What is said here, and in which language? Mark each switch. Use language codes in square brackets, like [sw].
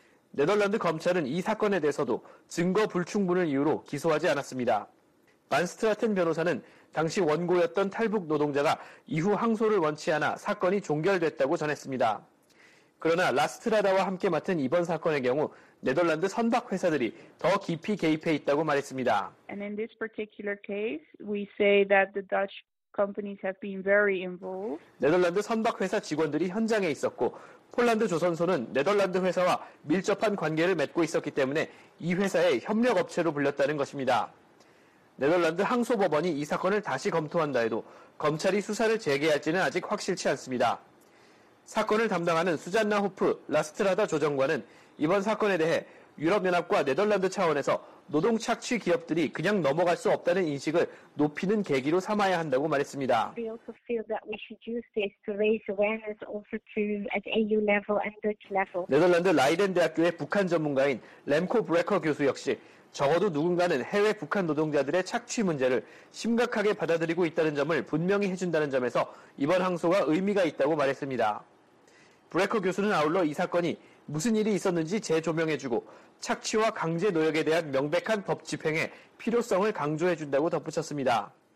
[ko] 네덜란드 검찰은 이 사건에 대해서도 증거 불충분을 이유로 기소하지 않았습니다. 반스트라텐 변호사는 당시 원고였던 탈북 노동자가 이후 항소를 원치 않아 사건이 종결됐다고 전했습니다. 그러나 라스트라다와 함께 맡은 이번 사건의 경우 네덜란드 선박 회사들이 더 깊이 개입해 있다고 말했습니다. [en] And in this particular case, we say that the Dutch companies have been very involved. [ko] 네덜란드 선박 회사 직원들이 현장에 있었고 폴란드 조선소는 네덜란드 회사와 밀접한 관계를 맺고 있었기 때문에 이 회사의 협력 업체로 불렸다는 것입니다. 네덜란드 항소법원이 이 사건을 다시 검토한다 해도 검찰이 수사를 재개할지는 아직 확실치 않습니다. 사건을 담당하는 수잔나 호프 라스트라다 조정관은 이번 사건에 대해 유럽연합과 네덜란드 차원에서 노동 착취 기업들이 그냥 넘어갈 수 없다는 인식을 높이는 계기로 삼아야 한다고 말했습니다. [en] We also feel that we should use this to raise awareness also to at EU level and Dutch level. [ko] 네덜란드 라이덴 대학교의 북한 전문가인 램코 브레커 교수 역시 적어도 누군가는 해외 북한 노동자들의 착취 문제를 심각하게 받아들이고 있다는 점을 분명히 해준다는 점에서 이번 항소가 의미가 있다고 말했습니다. 브레커 교수는 아울러 이 사건이 무슨 일이 있었는지 재조명해주고 착취와 강제 노역에 대한 명백한 법 집행의 필요성을 강조해준다고 덧붙였습니다.